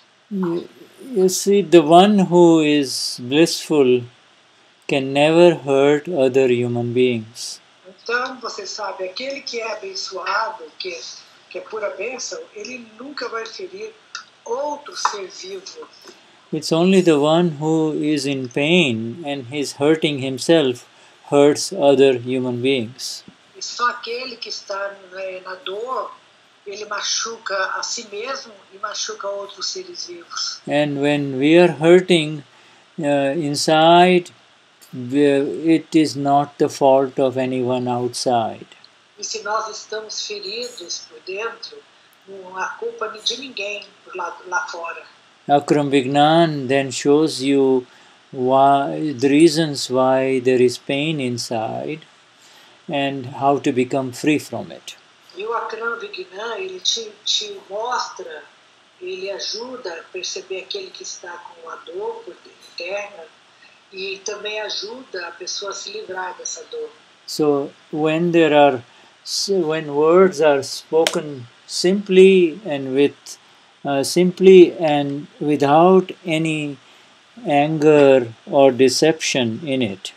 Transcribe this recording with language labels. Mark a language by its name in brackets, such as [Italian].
[English] You see, the one who is blissful can never hurt other human beings. [Portuguese] Então, você sabe, aquele que é abençoado, que é pura bênção, ele nunca vai ferir outro ser vivo. [English] It's only the one who is in pain and he's hurting himself hurts other human beings. [Portuguese] Só aquele que está na dor, ele machuca a si mesmo e machuca outros seres vivos. [English] And when we are hurting inside, it is not the fault of anyone outside. [Portuguese] E se nós estamos feridos por dentro, não há culpa de ninguém por lá fora. [English] Akram Vignan then shows you why, the reasons why there is pain inside and how to become free from it. [Portuguese] E o Akram Vignan, ele te mostra, ele ajuda a perceber aquele que está com a dor interna e também ajuda a pessoa a se livrar dessa dor. [English] So, when there are, when words are spoken simply and with simply and without any anger or deception in it.